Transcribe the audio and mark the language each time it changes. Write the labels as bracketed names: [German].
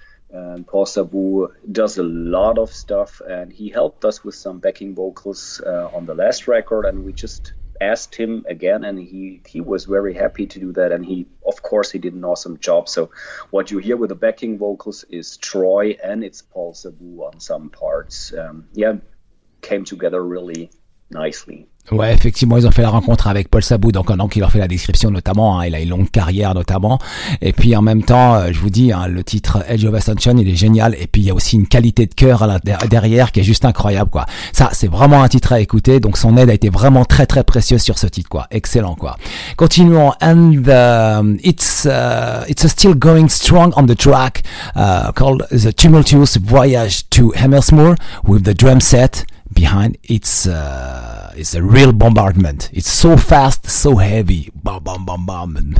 [English] And Paul Sabu does a lot of stuff, and he helped us with some backing vocals on the last record, and we just asked him again, and he was very happy to do that, and he did an awesome job. So what you hear with the backing vocals is Troy, and it's Paul Sabu on some parts. Came together really nicely. [French] Ouais, effectivement, ils ont fait la rencontre avec Paul Sabu, donc il leur fait la description notamment, hein, il a une longue carrière notamment, et puis en même temps, je vous dis, hein, le titre Age of Ascension, il est génial, et puis il y a aussi une qualité de cœur derrière qui est juste incroyable, quoi. Ça, c'est vraiment un titre à écouter, donc son aide a été vraiment très très précieuse sur ce titre, quoi. Excellent, quoi. Continuons, [English] and it's still going strong on the track called The Tumultuous Voyage to Hammersmoor with the drum set behind it's a real bombardment. It's so fast, so heavy. Bam, bam, bam, bam.